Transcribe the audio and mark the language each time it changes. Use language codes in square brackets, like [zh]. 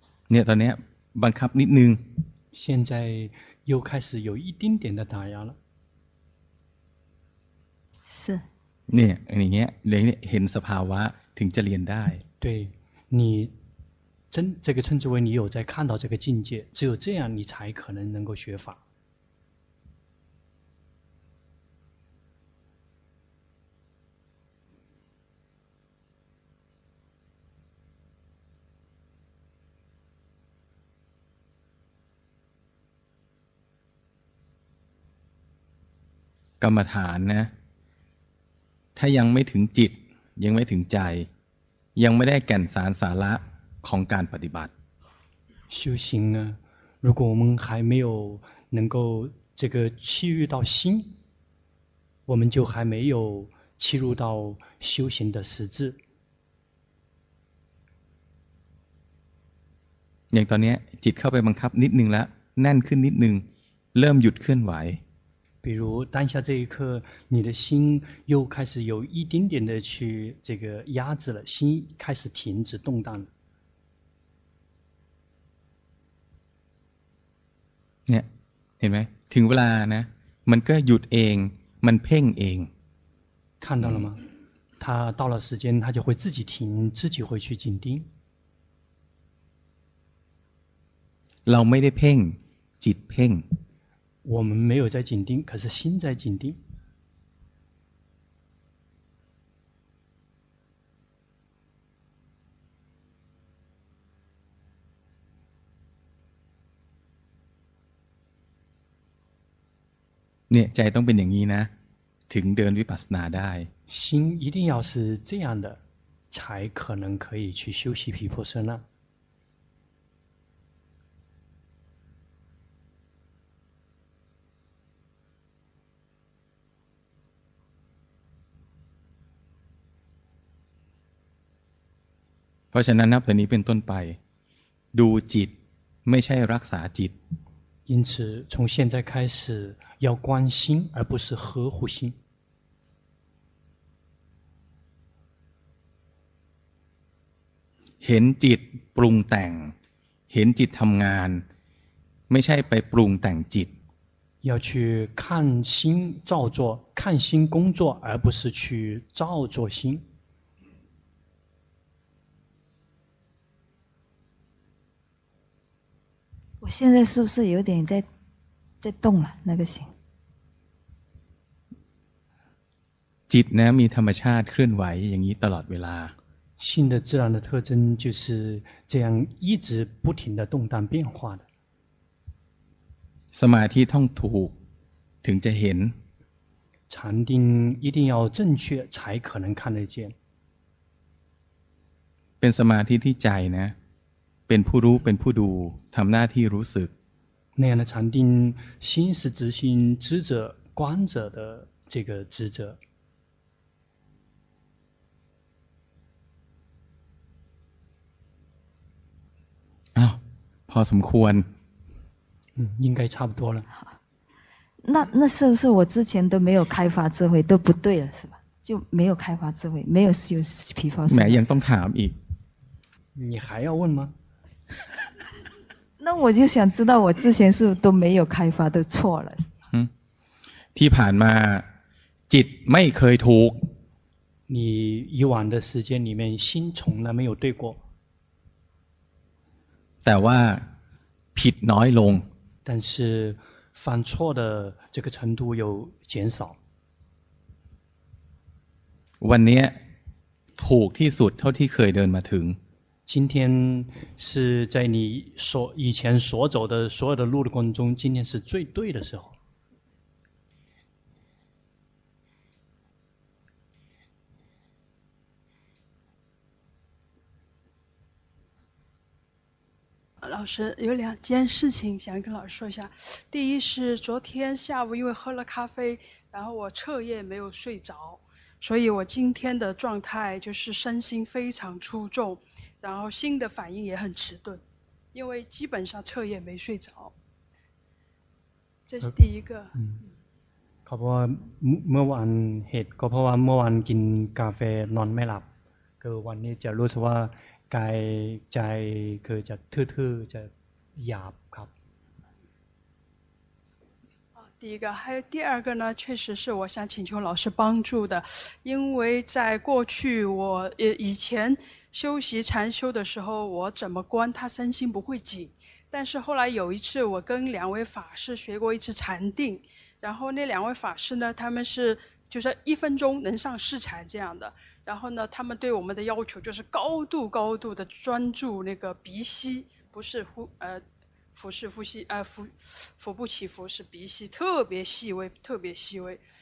[th] เนี่ยตอนนี้บังคับนิดนึง [zh] 现在又开始有一丁点的打压了。是。 [th] เนี่ยอย่างเงี้ยเห็นสภาวะถึงจะเรียนได้ [zh] 对你真这个称之为你有在看到这个境界，只有这样你才可能能够学法。 [th] กรรมฐานนะถ้ายังไม่ถึงจิตยังไม่ถึงใจยังไม่ได้แก่นสารสาระของการปฏิบัติ [zh] 修行呢如果我们还没有能够这个契入到心我们就还没有契入到修行的实质 [th] อย่างตอนนี้จิตเข้าไปบังคับนิดนึงแล้วแน่นขึ้นนิดนึงเริ่มหยุดเคลื่อนไหว [zh] 比如当下这一刻你的心又开始有一点点的去这个压制了心开始停止动荡 [th] 了เห็นไหมถึงเวลานะมันก็หยุดเองมันเพ่งเอง [zh] 看到了吗它到了时间它就会自己停自己会去紧盯 [th] เราไม่ได้เพ่งจิตเพ่ง [zh] 我们没有在紧盯，可是心在紧盯。你在东北宁一呢，停顿与巴斯纳带。心一定要是这样的，才可能可以去休息毗婆舍那。 [th] เพราะฉะนั้นนับแต่นี้เป็นต้นไปดูจิตไม่ใช่รักษาจิต [zh] 因此从现在开始要关心而不是呵护心 [th] เห็นจิตปรุงแต่งเห็นจิตทำงานไม่ใช่ไปปรุงแต่งจิต [zh] 要去看心造作看心工作而不是去造作心我现在是不是有点在动了那个心 [th] จิตนะมีธรรมชาติเคลื่อนไหวอย่างนี้ตลอดเวลา [zh] 心的自然的特征就是这样一直不停的动荡变化的 [th] สมาธิต้องถูกถึงจะเห็น [zh] 禅定一定要正确才可能看得见 [th] เป็นสมาธิที่ใจนะเป็นผู้รู้เป็นผู้ดูทำหน้าที่รู้สึก [zh] 那样的禅定心是执心知者观者的这个知者 [th] พอสมควร [zh] 应该差不多了那是不是我之前都没有开发智慧都不对了是吧就没有开发智慧没有修毗婆舍 [th] แม้ยังต้องถามอีก [zh] 你还要问吗那我就想知道我之前是都没有开发的错了 [th] ที่ผ่านมาจิตไม่เคยถูก [zh] 你以往的时间里面心从来没有对过 [th] แต่ว่าผิดน้อยลง [zh] 但是犯错的这个程度有减少 [th] วันนี้ถูกที่สุดเท่าที่เคยเดินมาถึง [zh] 今天是在你所以前所走的所有的路的过程中，今天是最对的时候。老师有两件事情想跟老师说一下。第一是昨天下午因为喝了咖啡，然后我彻夜没有睡着，所以我今天的状态就是身心非常出众，然后心的反应也很迟钝，因为基本上彻夜没睡着。这是第一个。 [th] 嗯，ขอบว่าเมื่อวันเหตุก็เพราะว่าเมื่อวันกินกาแฟนอนไม่หลับคือวันนี้จะรู้สึกว่ากายใจคือจะทื่อๆจะหยาบครับ [zh] 第一个，还有第二个呢，确实是我想请求老师帮助的，因为在过去我以前修习禅修的时候，我怎么观他身心不会紧，但是后来有一次我跟两位法师学过一次禅定，然后那两位法师呢，他们是就是一分钟能上四禅这样的，然后呢，他们对我们的要求就是高度高度的专注那个鼻息，不是腹式呼吸，腹部起伏是鼻息，特别细微，特别细微。